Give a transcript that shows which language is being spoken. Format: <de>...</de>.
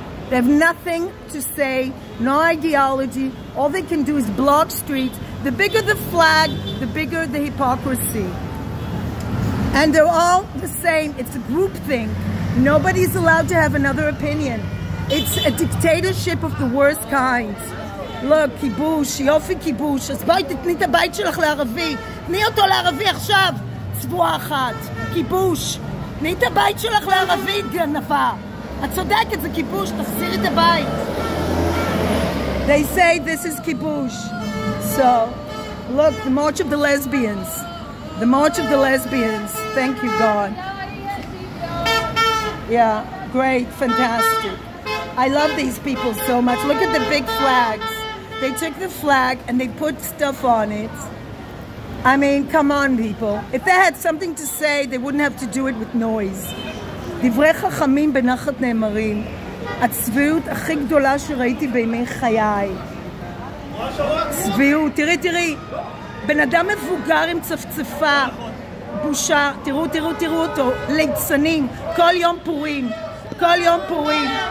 <en>They have nothing to say, no ideology. All they can do is block streets. The bigger the flag, the bigger the hypocrisy. And they're all the same. It's a group thing. Nobody's allowed to have another opinion. It's a dictatorship of the worst kind. Look,</en> <he>כיבוש, יופי כיבוש. אז בואי תתני את הבית שלך לערבי. תני אותו לערבי עכשיו, צבועה אחת. כיבוש. תני את הבית שלך לערבי, גנבה. את צודקת, זה כיבוש. תחזיר את הבית.</he> <en>They say this is כיבוש. So, look, the march of the lesbians. The march of the lesbians. Thank you, God. Yeah, great, fantastic. I love these people so much. Look at the big flags. They took the flag and they put stuff on it. I mean, come on, people. If they had something to say, they wouldn't have to do it with noise.</en> <he>דברי חכמים בנחת נאמרים. הצביעות הכי גדולה שראיתי בימי חיי. צביעות, תראי, תראי. בן אדם מבוגר עם צפצפה. בושה, תראו, תראו, תראו אותו. ליצנים, כל יום פורים. כל יום פורים.</he>